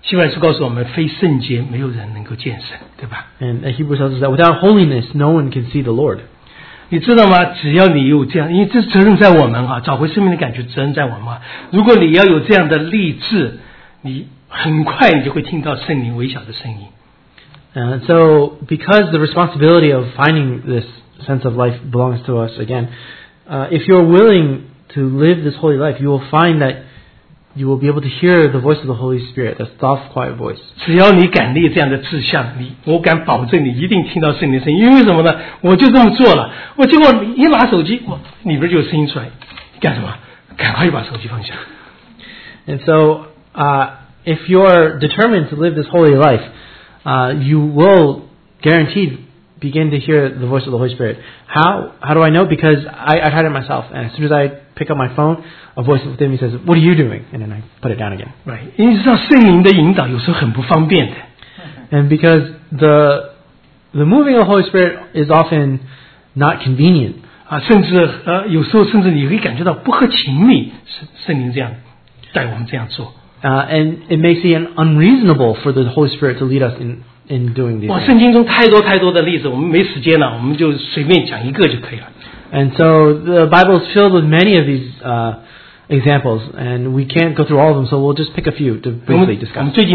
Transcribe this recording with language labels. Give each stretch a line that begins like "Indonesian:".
Chinese: 圣经告诉我们,非圣洁没有人能够见神,
English: and Hebrews tells us that without holiness, no one can see the Lord.
Chinese: 你知道吗? 只要你有这样, 因为这责任在我们啊, 找回生命的感觉责任在我们啊, 如果你要有这样的励志, 你很快你就会听到圣灵微小的声音。
English: So because the responsibility of finding this sense of life belongs to us again, if you're willing to live this holy life, you will find that you will be able to hear the voice of the Holy Spirit, the soft, quiet voice.
Chinese: 只要你敢立这样的志向, 我敢保证你一定听到圣灵的声音。因为什么呢？我就这么做了。我结果一拿手机, 里边就有声音出来。赶快把手机放下。
English: And so, if you are determined to live this holy life, you will guaranteed begin to hear the voice of the Holy Spirit. How do I know? Because I've had it myself, and as soon as I pick up my phone, a voice within me says, "What are you doing?" And then I put it down again. Right. And because the moving of the Holy Spirit is often not convenient. And it may seem unreasonable for the Holy Spirit to lead us in doing these.
Chinese: 圣经中太多太多的例子，我们没时间了，我们就随便讲一个就可以了。
English: And so the Bible is filled with many of these examples, and we can't go through all of them, so we'll just pick a few to briefly discuss.